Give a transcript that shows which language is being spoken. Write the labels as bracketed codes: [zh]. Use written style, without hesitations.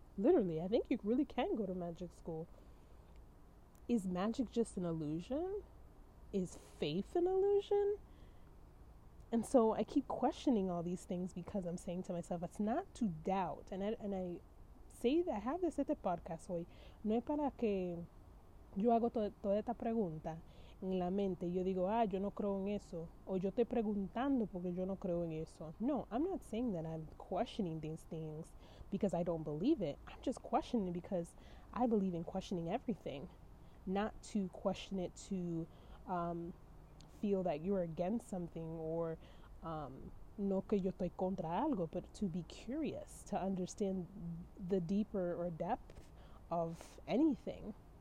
[en] Literally, I think you really can go to magic school. Is magic just an illusion? Is faith an illusion? And so I keep questioning all these things because I'm saying to myself, it's not to doubt. And I say that I have this at the podcast hoy. [es] No es para que yo hago toda esta pregunta en la mente. Yo digo, ah, yo no creo en eso. O yo estoy preguntando porque yo no creo en eso. [en] No, I'm not saying that I'm questioning these things because I don't believe it. I'm just questioning because I believe in questioning everything. Not to question it to feel that you're against something or [es] no que yo estoy contra algo, [en] but to be curious, to understand the deeper or depth of anything.